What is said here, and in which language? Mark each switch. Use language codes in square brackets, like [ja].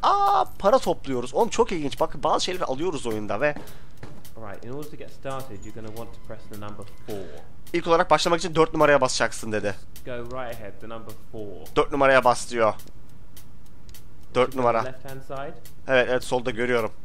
[tr] Aa, para topluyoruz. Oğlum çok ilginç. Bak bazı şeyleri alıyoruz oyunda ve [en] right, in order to get started, you're going to want to press the number 4. [tr] İlk olarak başlamak için 4 numaraya basacaksın dedi. [en] Go right ahead, the number 4. [tr] 4 numaraya bas diyor. 4 numara. [en] Left hand side. [tr] Evet, evet, solda görüyorum.